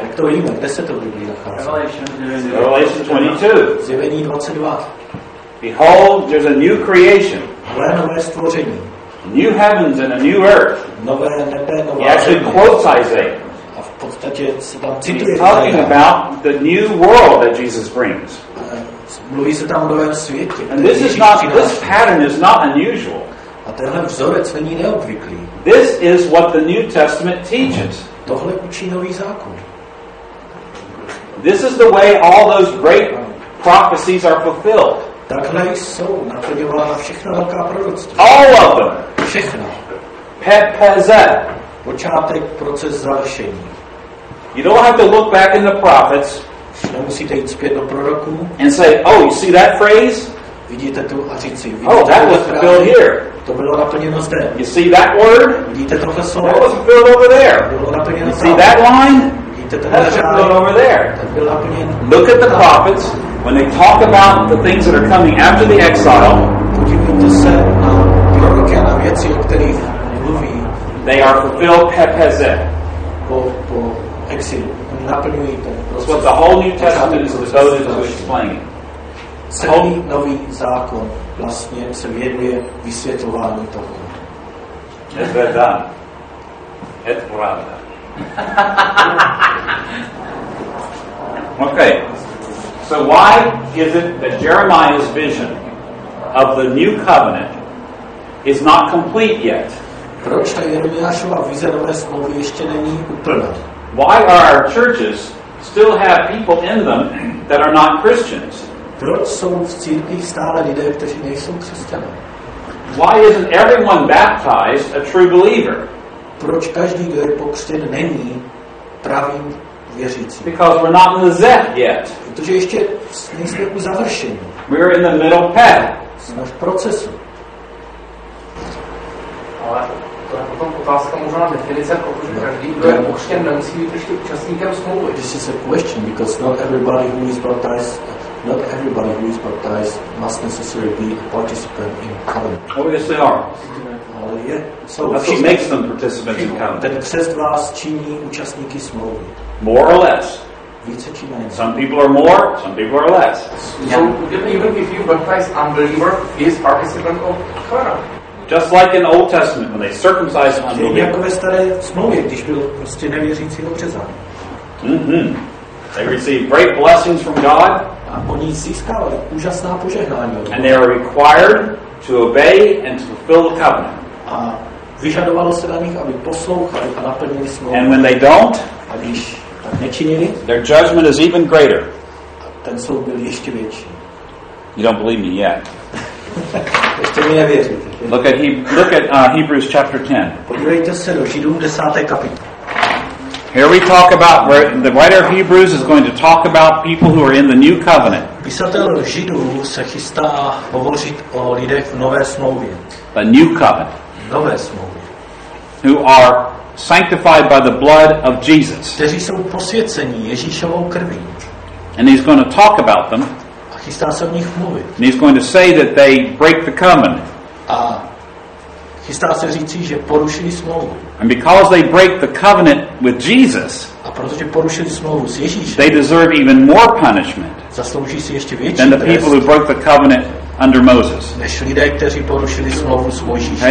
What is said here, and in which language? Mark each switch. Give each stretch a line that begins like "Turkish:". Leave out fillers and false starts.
Czech: Jak to víme? Kde se to v Biblii nachází?
English: Revelation 22.
Czech: Zjevení 22.
English: Behold, there's a new creation.
Czech: Hle, nové stvoření.
English: New heavens and a new earth.
Czech: Nové nebe, nová země.
English: He actually quotes Isaiah.
Czech: A v podstatě se tam cituje.
English: He's talking about the new world that Jesus brings.
Czech: Mluví se tam o novém světě.
English: And this is not, this pattern is not unusual.
Czech: A tenhle vzorec není neobvyklý.
English: This is what the New Testament teaches.
Czech: Tohle učí nový zákon.
English: This is the way all those great prophecies are fulfilled.
Czech: Takhle jsou naplňována všechna velká proroctví.
English: All of them.
Czech: Všechna. Pepezet. Počátek, proces, završení.
English: You don't have to look back in the prophets.
Czech: Nemusíte jít zpět do proroků.
English: And say, oh, you see that phrase?
Czech: Vidíte tu a říct si,
English: oh, that was fulfilled here.
Czech: To bylo naplněno zde.
English: You see that word?
Czech: Vidíte tohle slovo?
English: That was fulfilled over there.
Czech: Bylo naplněno tam.
English: You see that line?
Czech: Vidíte tohle řádek?
English: That was fulfilled over there.
Czech: Tak bylo naplněno.
English: Look at the prophets. When they talk about the things that are coming after the exile,
Czech: podívejte se na proroky a na věci, o kterých mluví.
English: They are fulfilled pepezet.
Czech: Po exilu. Naplňují ten proces.
English: That's what the whole New Testament is devoted to explaining.
Czech: Celý nový zákon vlastně se věnuje vysvětlování toho.
Spanish: Es verdad. Es pravda.
English: Okay. So why is it that Jeremiah's vision of the new covenant is not complete yet?
Czech: Proč ta Jeremiášova vize nové smlouvy ještě není úplná?
English: Why are our churches still have people in them that are not Christians?
Czech: Proč jsou v církvích stále lidé, kteří nejsou křesťané?
English: Why isn't everyone baptized a true believer?
Czech: Proč každý, kdo je pokřtěn, není pravým věřícím?
English: Because we're not in the zeth yet.
Czech: Protože ještě nejsme u završení.
English: We're in the middle path.
Czech: Jsme v procesu. Ale to je potom otázka možná definice, protože každý, kdo je pokřtěn, nemusí být ještě účastníkem smlouvy.
English: This is a question, because not everybody who is baptized Not everybody who is baptized must necessarily be a participant in covenant. Oh, yes, they are. Yeah. So but she makes them participants in covenant.
Czech: Ten křest vás činí účastníky smlouvy.
English: More or less.
Czech: Více či méně.
English: Some people are more, some people are less. Yeah. So even if you baptize unbeliever, he is participant of covenant. Just like in the Old Testament, when they circumcised unbeliever.
Czech: Je jako ve staré smlouvě, když byl prostě nevěřící obřezán.
English: Mm-hmm. They receive great blessings from God.
Czech: A oni získávali úžasná požehnání.
English: And they are required to obey and to fulfill the covenant.
Czech: A vyžadovalo se na nich, aby poslouchali a naplnili smlouvu.
English: And when they don't,
Czech: a když tak nečinili,
English: their judgment is even greater.
Czech: A ten soud byl ještě větší.
English: You don't believe me yet.
Czech: Ještě mi nevěříte.
English: Look at Hebrews chapter 10.
Czech: Podívejte se do Židům 10. kapitoly.
English: Here we talk about where the writer of Hebrews is going to talk about people who are in the new covenant.
Czech: Písatel Židů se chystá hovořit o lidech v nové smlouvě.
English: A new covenant.
Czech: Nové smlouvě.
English: Who are sanctified by the blood of Jesus.
Czech: Kteří jsou posvěceni Ježíšovou krví.
English: And he's going to talk about them.
Czech: A chystá se o nich mluvit.
English: And he's going to say that they break the covenant.
Czech: A chystá se říci, že porušili smlouvu.
English: And because they break the covenant with Jesus,
Czech: a protože porušili smlouvu s Ježíšem,
English: they deserve even more punishment
Czech: zaslouží si ještě větší
English: than the people who broke the covenant under Moses.
Czech: Než lidé, kteří porušili smlouvu s Mojžíšem.